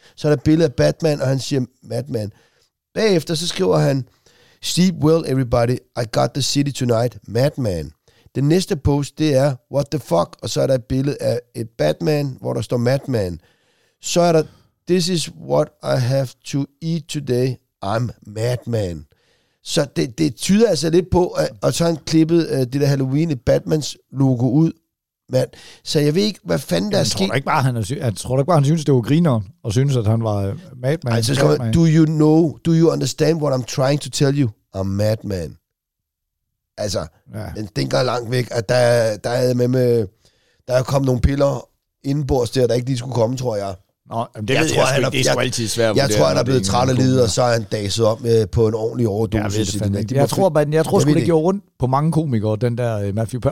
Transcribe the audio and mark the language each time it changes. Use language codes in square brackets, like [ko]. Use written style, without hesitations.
[da] Så er der billede af Batman, og han siger, Madman. Bagefter, så skriver han, [en] sleep well everybody, I got the city tonight, Madman. [da] Den næste post, det er, [en] what the fuck, [da] og så er der et billede af et Batman, hvor der står Madman. Så er der, [en] this is what I have to eat today, I'm Madman. [da] Så det tyder altså lidt på, og så har han klippet det der Halloween i Batmans logo ud, mand. Så jeg ved ikke, hvad fanden der er sket. Jeg tror ikke bare, han synes, det var grineren, og synes, at han var Madman. Altså, skal man, [en] do you know, do you understand what I'm trying to tell you? I'm Madman. [da] Altså, den stinker langt væk, at der er kommet nogle piller indenbords der ikke lige skulle komme, tror jeg. Nå, det jeg ved, tror, jeg ikke, det er sgu altid svært. Jeg tror, han er blevet træt og lidt, og så er han daset op på en ordentlig overdosis. Jeg tror det gjorde rundt på mange komikere, den der Matthew Perry.